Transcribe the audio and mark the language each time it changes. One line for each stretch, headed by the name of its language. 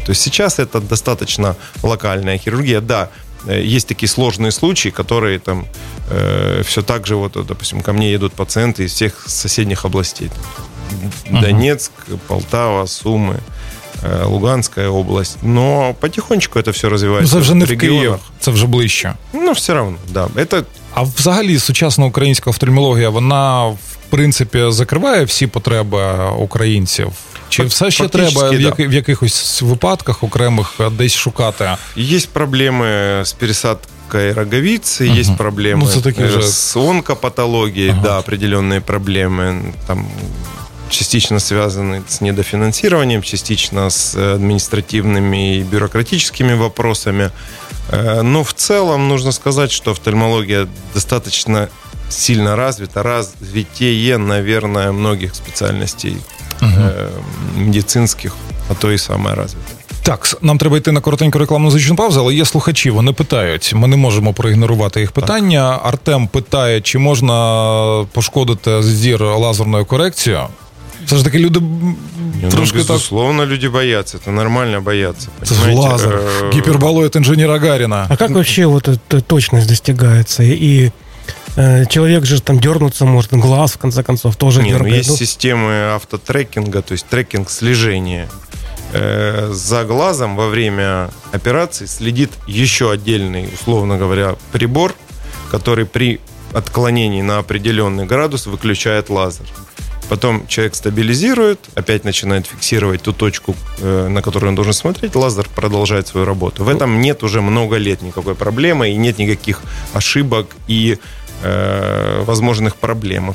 Russian: То есть сейчас это достаточно локальная хирургия. Да, есть такие сложные случаи, которые там все так же, вот, допустим, ко мне едут пациенты из всех соседних областей. Донецк, Полтава, Сумы, Луганская область. Но потихонечку это все развивается. Это уже не в регионах. В Киеве, это уже ближе. Ну, все равно, да. Это...
Ukrainian: А взагалі сучасна українська офтальмологія, вона, в принципі, закриває всі потреби українців? Чи все ще треба в якихось випадках окремих десь шукати?
Russian: Є проблеми з пересадкою роговиці, є проблеми з онкопатологією, да, определенные проблеми, там, частично связаны с недофинансированием, частично с административными и бюрократическими вопросами. Но в целом нужно сказать, что офтальмология достаточно сильно развита, развитие, наверное, многих специальностей медицинских, а то и самое развитое.
Ukrainian: Так, нам треба йти на коротеньку рекламно-музичну паузу, але є слухачі, вони питають. Ми не можемо проігнорувати їх питання. Так. Артем питає, чи можна пошкодити зір лазерною корекцією? Все ж таки люди трошки так... Безусловно, люди бояться. Це нормально бояться. Це ж лазер. Гіперболоїд інженера Гаріна. А як взагалі точність достигається? І чоловік же там дернутися може, глаз, в кінці концов, теж дергає. Є системи автотрекінгу, тобто трекінг слежения.
Russian: За глазом во время операции следит еще отдельный, условно говоря, прибор, который при отклонении на определенный градус выключает лазер. Потом человек стабилизирует, опять начинает фиксировать ту точку, на которую он должен смотреть, лазер продолжает свою работу. В этом нет уже много лет никакой проблемы и нет никаких ошибок и возможных проблем.